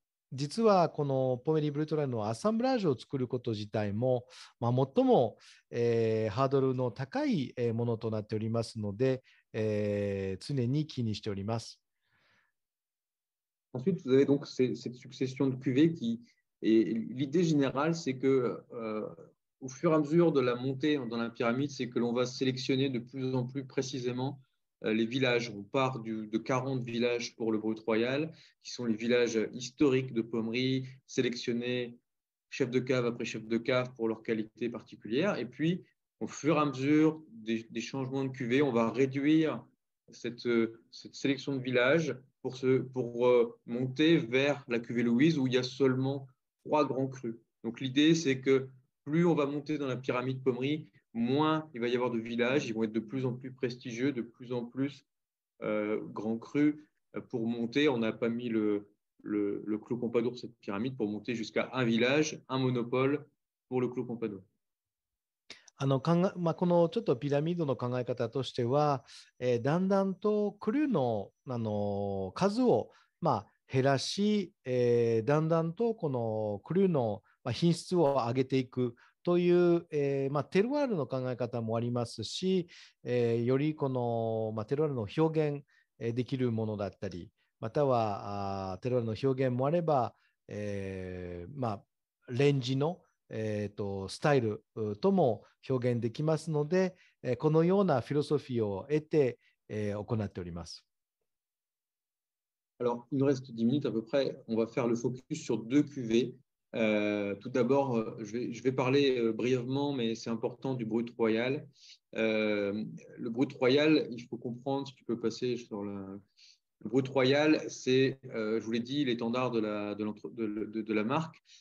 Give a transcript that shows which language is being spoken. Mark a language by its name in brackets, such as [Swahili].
[Japanese] 実はこのポメリブルトラのアサンブラージュを作ること自体も、まあ、最も、ハードルの高いものとなっておりますので、常に気にしております。 [French] Ensuite, vous avez donc cette succession de cuvées qui, et l'idée générale, c'est que, au fur et à mesure de la montée dans la pyramide, c'est que l'on va sélectionner de plus en plus précisément les villages. On part de 40 villages pour le Brut Royal, qui sont les villages historiques de Pommerie, sélectionnés chef de cave après chef de cave pour leur qualité particulière. Et puis, au fur et à mesure des changements de cuvée, on va réduire cette sélection de villages pour monter vers la cuvée Louise, où il y a seulement 3 grands crus. Donc l'idée, c'est que plus on va monter dans la pyramide Pommerie, moins il va y avoir de villages, ils vont être de plus en plus prestigieux, de plus en plus grands crus pour monter. On n'a pas mis le Clos Pompadour, cette pyramide, pour monter jusqu'à un village, un monopole pour le Clos Pompadour. [Japanese] あの考え、まあ、このちょっとピラミッドの考え方としては、だんだんとクルー の, あの数を、まあ、減らし、だんだんとこのクルーの品質を上げていくという、まあ、テロワールの考え方もありますし、よりこの、まあ、テロワールの表現できるものだったり、またはテロワールの表現もあれば、まあ、レンジのスタイルとも表現できますので、このようなフィロソフィーを得て、行っております。 [French] Alors, il nous reste 10 minutes à peu près. On va faire le focus sur deux cuvées. Tout d'abord, je vais parler brièvement, mais c'est important, du Brut Royal. Le Brut Royal, il faut comprendre, si tu peux passer sur la... Le Brut Royal, c'est, je vous l'ai dit, l'étendard de la marque.